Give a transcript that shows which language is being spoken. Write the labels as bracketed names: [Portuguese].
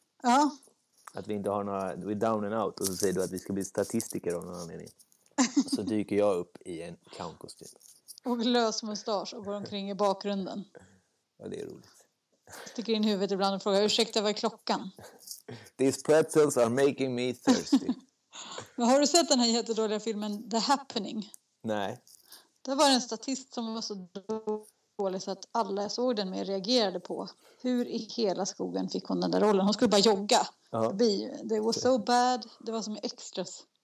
[Swedish] Ja. Att vi inte har några, vi är [English] down and out. [Swedish] Och så säger du att vi ska bli statistiker av någon anledning. Så dyker jag upp i en clownkostym. Och lös mustasch och går omkring i bakgrunden. Ja, det är roligt. Sticker in huvudet ibland och frågar, ursäkta, vad är klockan? [English] These pretzels are making me thirsty. [Swedish] Men har du sett den här jättedåliga filmen The Happening? Nej. Det var en statist som var så dålig så att alla såg den med reagerade på. Hur i hela skogen fick hon den där rollen? Hon skulle bara jogga. Det var [English] so bad. [Swedish] Det var som extras.